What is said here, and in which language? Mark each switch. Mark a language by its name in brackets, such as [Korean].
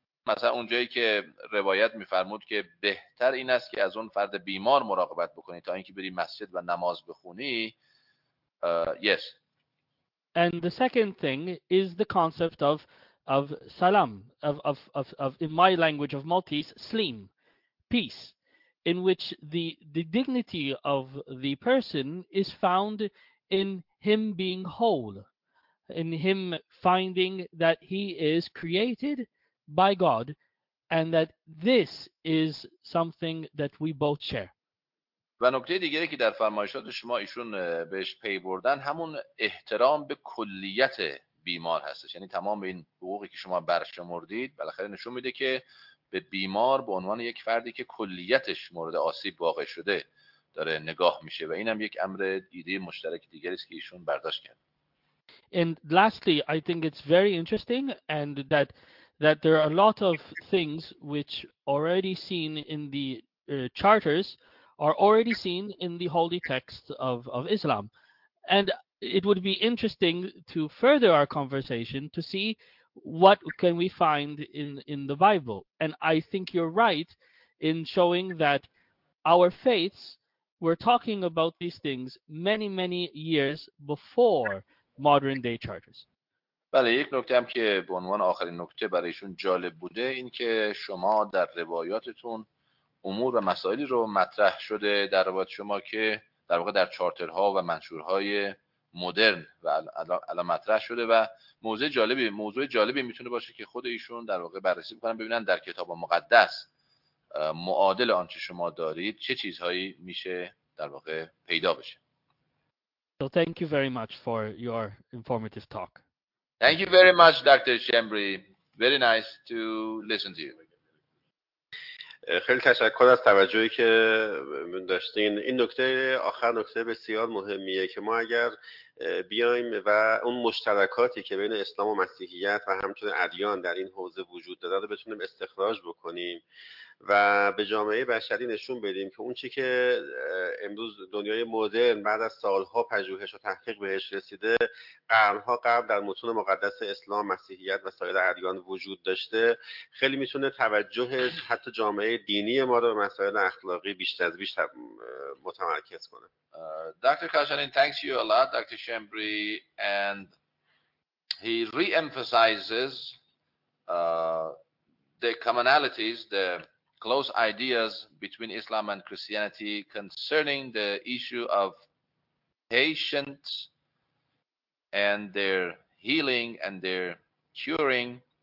[Persian] مثلا اونجایی که روایت می‌فرمود که بهتر این است که از اون فرد بیمار مراقبت بکنی تا اینکه بری مسجد و نماز بخونی. [English] Yes. And the second thing is the concept of salam, of in my language of Maltese, sleem, peace, in which the dignity of the person is found in him being whole, in him finding that he is created by God, and that this is something that we both share. [Persian] و نکته دیگری که در فرمایشات شما ایشون بهش پی بردن همون احترام به کلیت بیمار هستش، یعنی تمام این حقوقی که شما برشمردید بالاخره نشون میده که به بیمار به عنوان یک فردی که کلیتش مورد آسیب واقع شده داره نگاه میشه، و اینم یک امر ایده مشترک دیگری است که ایشون برداشت کرد. [English] And lastly, I think it's very interesting and that there are a lot of things which already seen in the charters are already seen in the holy texts of Islam. And it would be interesting to further our conversation to see what can we find in the Bible. And I think you're right in showing that our faiths were talking about these things many, many years before modern day charters. [Persian] بله، یک نکته هم که به عنوان آخرین نکته برایشون جالب بوده این که شما در روایاتتون امور و مسائلی رو مطرح شده در روایات شما که در واقع در چارترها و منشورهای مدرن و الان مطرح شده و موضوع جالبی میتونه باشه که خود ایشون در واقع بررسی بکنن ببینن در کتاب مقدس معادل آنچه شما دارید چه چیزهایی میشه در واقع پیدا بشه. [English] So thank you very much for your informative talk. Thank you very much, Dr. Chambry. Very nice to listen to you. [Persian] خیلی تشکر از توجهی که داشتین. این نکته آخر نکته بسیار مهمیه که ما اگر بیایم و اون مشترکاتی که بین اسلام و مسیحیت و همچنین ادیان در این حوزه وجود داره رو بتونیم استخراج بکنیم و به جامعه بشری نشون بدیم که اون چی که امروز دنیای مدرن بعد از سالها پژوهش و تحقیق بهش رسیده قرنها قبل در متون مقدس اسلام، مسیحیت و سایر ادیان وجود داشته خیلی میتونه توجه حتی جامعه دینی ما رو به مسائل اخلاقی بیشتر از بیشتر متمرکز کنه. [English] Dr. Kashanin, thanks you a lot, Dr. Chambry, and he re-emphasizes the commonalities, the close ideas between Islam and Christianity concerning the issue of patients and their healing and their curing.